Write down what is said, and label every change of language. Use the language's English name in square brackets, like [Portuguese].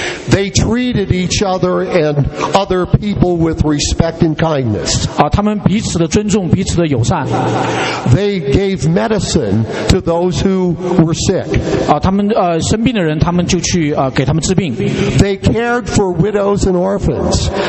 [English] They treated each other and other people with respect and kindness. [Chinese] 他们彼此的尊重，彼此的友善。 [English] They gave medicine to those who were sick. [Chinese] 他们生病的人，他们就去给他们治病。 [English] They cared for widows and orphans.